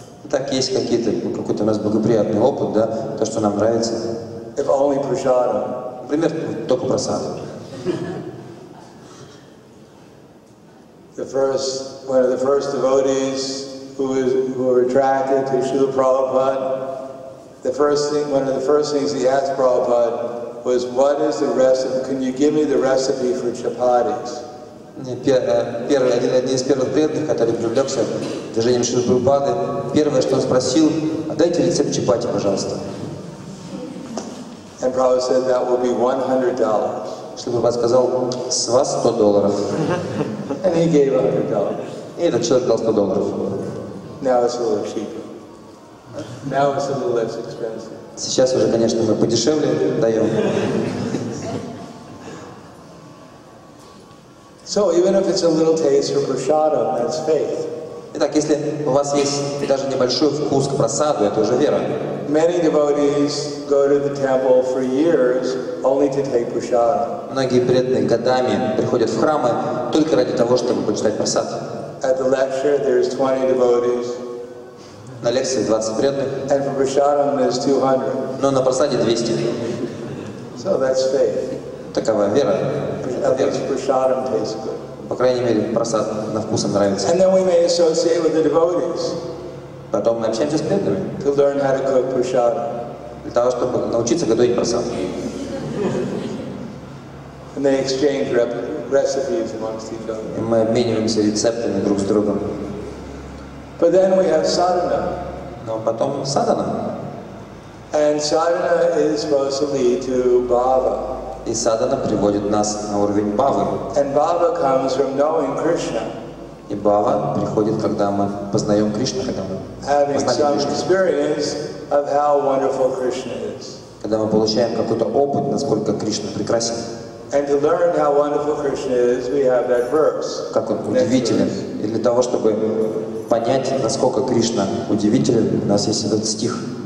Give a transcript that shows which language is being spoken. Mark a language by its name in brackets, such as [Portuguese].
[Russian] Так есть какой-то у нас благоприятный опыт, да, то, что нам нравится. [English] If only prasadam. [Russian] Например, только прасада. [English] The first, one of the first devotees who were attracted to Srila Prabhupada, one of the first things he asked Prabhupada was, what is the recipe, can you give me the recipe for chapatis? [Russian] Один из первых преданных, который привлекся движением Шри Прабхупады, первое, что он спросил, дайте рецепт чапати, пожалуйста. [English] And Prabhupada said, that will be $100. [Russian] Шри Прабхупада сказал, с вас $100. [English] And he gave $100. [Russian] И этот человек дал $100. [English] Now it's a little cheaper. Now it's a little less expensive. [Russian] Сейчас уже, конечно, мы подешевле даем. [English] So even if it's a little taste for prasadam, that's faith. [Russian] Итак, если у вас есть даже небольшой вкус к прасаду, это уже вера. [English] Many devotees go to the temple for years only to take prasadam. [Russian] Многие преданные годами приходят в храмы только ради того, чтобы почитать прасад. [English] At the lecture there's 20 devotees. [Russian] На лекции 20 преданных. [English] And for prasadam there's 200. [Russian] Но на прасаде 200. [English] So that's faith. [Russian] Такова вера. [English] Prasadam tastes good. [Russian] По крайней мере, прасад на вкус нравится. [English] And then we may associate with the devotees. [Russian] Потом мы общаемся с преданными. [English] To learn how to cook prasadam. [Russian] Для того, чтобы научиться готовить прасад. [English] And they exchange recipes amongst each other. [Russian] И мы обмениваемся рецептами друг с другом. [English] But then we have sadhana. [Russian] Но потом садхана. [English] And sadhana is supposed to lead to bhava. [Russian] И садхана приводит нас на уровень бхавы. [English] And bhava comes from knowing Krishna. [Russian] И бхава приходит, когда мы познаем Кришну, когда мы [English] having [Russian] познаем [English] some [Russian] Кришну. [English] Experience of how wonderful Krishna is. [Russian] Когда мы получаем какой-то опыт, насколько Кришна прекрасен. [English] And to learn how wonderful Krishna is, we have that verse. [Russian] Как он удивителен. И для того, чтобы понять, насколько Кришна удивителен, у нас есть этот стих.